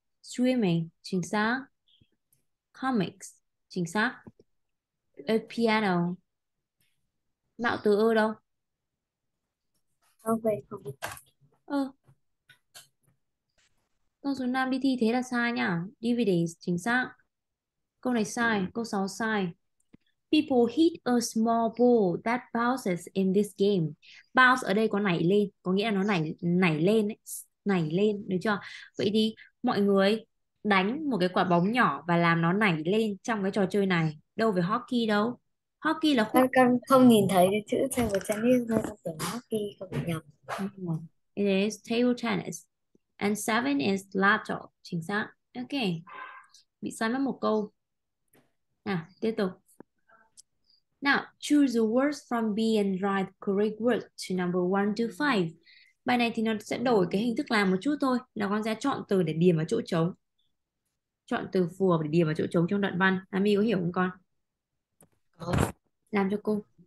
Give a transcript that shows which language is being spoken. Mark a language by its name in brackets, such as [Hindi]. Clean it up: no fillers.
[Vietnamese] Swimming, chính xác. Comics, chính xác. [English] A piano. [Vietnamese] Mạo từ ơ đâu? Không về không. Ơ. Câu số 5 đi thi thế là sai nhỉ? DVDs, chính xác. Câu này sai, câu 6 sai. [English] People hit a small ball that bounces in this game. [Vietnamese] Bounce ở đây có nảy lên, có nghĩa là nó nảy nảy lên ấy. Nảy lên, được chưa? Vậy thì mọi người đánh một cái quả bóng nhỏ và làm nó nảy lên trong cái trò chơi này. Đâu phải hockey đâu. Hockey là khúc. Con không nhìn thấy cái chữ trên một trang nên con tưởng hockey không nhầm. [English] It is table tennis. And seven is laptop. [Vietnamese] Chính xác. Ok. Bị sai mất một câu. Nào, tiếp tục. [English] Now, choose the words from B and write the correct words to number 1 to 5. [Vietnamese] Bài này thì nó sẽ đổi cái hình thức làm một chút thôi. Là con sẽ chọn từ để điền vào chỗ trống. Chọn từ phù hợp để điền vào chỗ trống trong đoạn văn. Ami có hiểu không con? Làm cho cô.